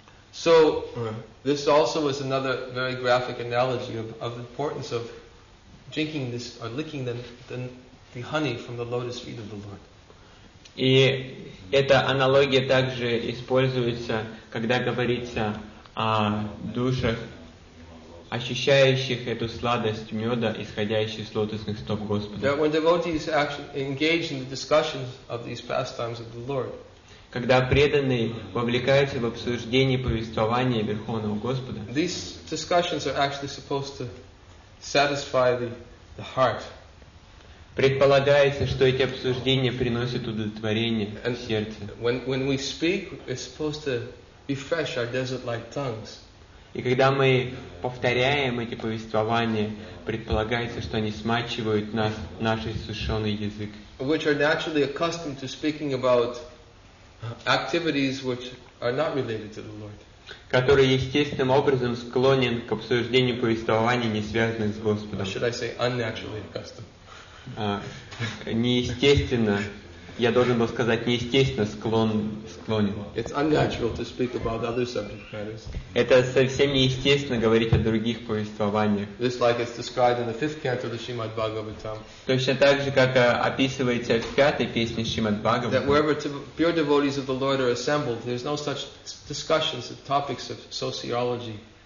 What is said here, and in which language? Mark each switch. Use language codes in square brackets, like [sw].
[en] So this also was another very graphic analogy of the importance of drinking this or licking the honey from the lotus feet of the Lord. [ru] И эта аналогия также используется, когда говорится о душах, ощущающих эту сладость меда, исходящую с лотосных стоп Господа. [en] When devotees actually engage in the discussions of these pastimes of the Lord. [ru] Когда преданные вовлекаются в обсуждение повествования Верховного Господа. [en] These discussions are actually supposed to satisfy the heart. [ru] Предполагается, что эти обсуждения приносят удовлетворение в сердце. [en] When we speak, we're supposed to refresh our desert-like tongues. [ru] И когда мы повторяем эти повествования, предполагается, что они смачивают нас, наш иссушенный язык. [en] Which are naturally accustomed to speaking about activities which are not related to the Lord. [ru] Который естественным образом склонен к обсуждению повествований, не связанных с Господом. [en] Or should I say unnaturally accustomed? [ru] Неестественно. Я должен был сказать неестественно склонен. [en] It's unnatural to speak about other subject matters. [ru] Это совсем неестественно говорить о других повествованиях. [en] This like it's described in the fifth canto of the Shrimad Bhagavatam. [ru] Точно так же, как описывается в пятой песне Шримад Бхагаватам. [en] That wherever pure devotees of the Lord are assembled, there's no such discussions of topics of sociology.